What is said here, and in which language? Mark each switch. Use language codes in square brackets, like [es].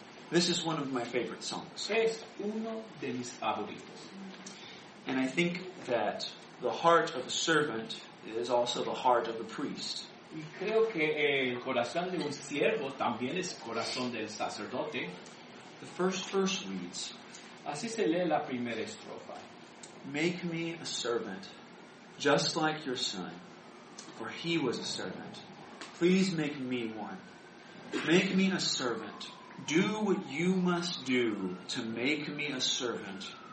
[en] This is one of my favorite songs. [es] Es uno de mis favoritos. [en] And I think that the heart of a servant is also the heart of a priest. [es] Y creo que el corazón de un siervo también es corazón del sacerdote. [en] The first verse reads, [es] así se lee la primera estrofa. [en] Make me a servant, just like your son, for he was a servant. Please make me one. Make me a servant. Do what you must do to make me a servant.